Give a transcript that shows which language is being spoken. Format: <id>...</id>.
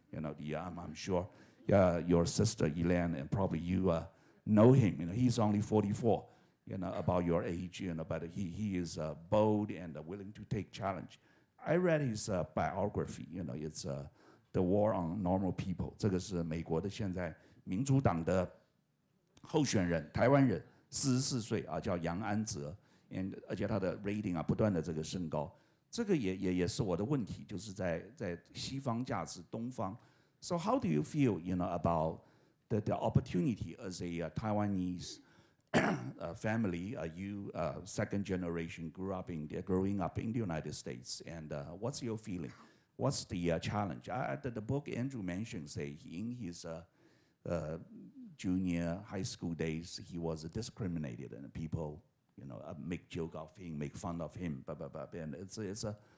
<en>You know, I'm sure your sister Elaine and probably you know him. You know, he's only 44, you know, about your age, you know, but he is bold and willing to take challenge. I read his biography, you know, it's The War on Normal People.</en> <zh>这个是美国的现在民主党的候选人，台湾人，44岁啊，叫杨安泽， and, 而且他的 rating 啊不断的这个升高。这个也是我的问题，就是在西方价值东方。</zh> <en>So how do you feel, you know, about the opportunity as a Taiwanese family? You second generation growing up in the United States, and what's your feeling? What's the challenge? The book Andrew mentioned, say in his junior high school days, he was discriminated and people.You know, make joke of him, make fun of him, blah, blah, blah. And it's a</en>